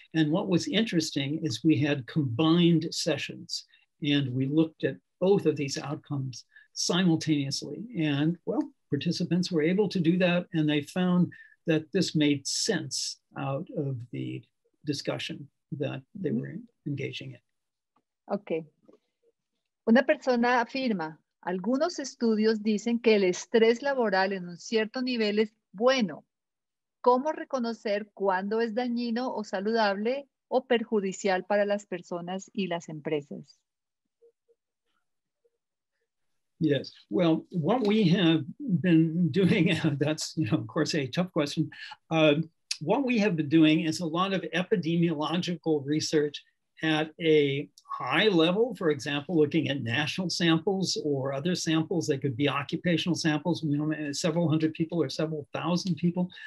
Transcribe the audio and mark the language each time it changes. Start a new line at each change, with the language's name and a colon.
English: And what was interesting is we had combined sessions and we looked at both of these outcomes simultaneously. And well, participants were able to do that and they found that this made sense out of the discussion that they were engaging in. Okay.
Spanish: Una persona afirma, algunos estudios dicen que el estrés laboral en un cierto nivel es bueno ¿Cómo reconocer cuándo es dañino o saludable o perjudicial para las personas y las empresas?
English: Yes. Well, what we have been doing, that's, you know, of course, a tough question. What we have been doing is a lot of epidemiological research at a high level, for example, looking at national samples or other samples that could be occupational samples, you know, several hundred people or several thousand people.